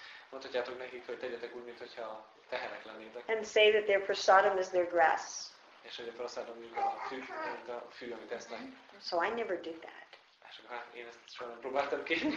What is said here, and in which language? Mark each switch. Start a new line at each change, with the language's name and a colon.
Hungarian: Mondhatjátok nekik, hogy tegyetek úgy, mintha tehenek lennétek.
English: And say that their prasadam is their grass.
Hungarian: És hogy a prasadam a fű, amit esznek.
English: So I never did that.
Hungarian: És akkor hát én ezt soha nem próbáltam ki.